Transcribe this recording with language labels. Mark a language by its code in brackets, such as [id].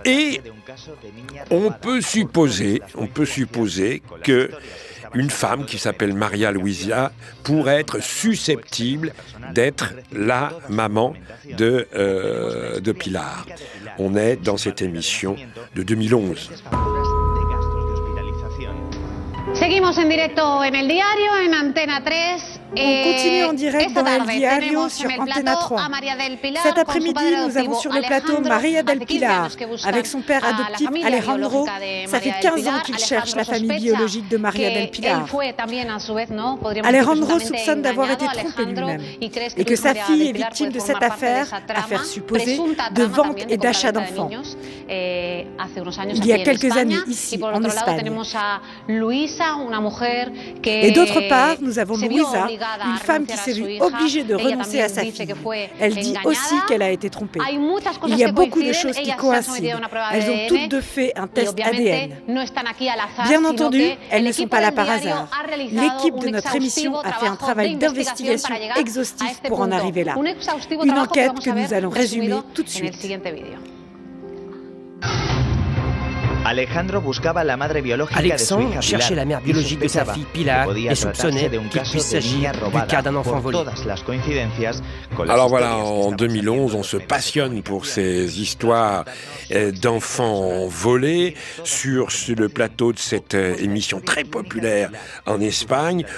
[fr] Et on peut supposer que une femme qui s'appelle Maria Luisa pourrait être susceptible d'être la maman de Pilar. On est dans cette émission de 2011. [es] seguimos en directo en el diario, en Antena 3. [fr] On continue en direct dans El Diario sur Antena 3. Cet après-midi, nous avons sur le plateau Maria del Pilar avec son père adoptif Alejandro. Ça fait 15 ans qu'il cherche la famille biologique de Maria del Pilar. Alejandro soupçonne d'avoir été trompé lui-même et que sa fille est victime de cette affaire, affaire supposée, de vente et d'achat d'enfants. Il y a quelques années ici, en Espagne. Et d'autre part, nous avons Luisa, une femme qui s'est vue obligée de renoncer à sa fille. Elle dit aussi qu'elle a été trompée. Il y a beaucoup de choses qui coïncident. Elles ont toutes deux fait un test ADN. Bien entendu, elles ne sont pas là par hasard. L'équipe de notre émission a fait un travail d'investigation exhaustif pour en arriver là. Une enquête que nous allons résumer tout de suite. [es] Alejandro buscaba la madre biológica de su hija Pilar. [fr] Alexandre cherchait la mère biologique de sa fille Pilar et soupçonnait qu'il puisse s'agir du cas d'un enfant volé. Alors voilà, en 2011, on se passionne pour ces histoires d'enfants volés sur le plateau de cette émission très populaire en Espagne.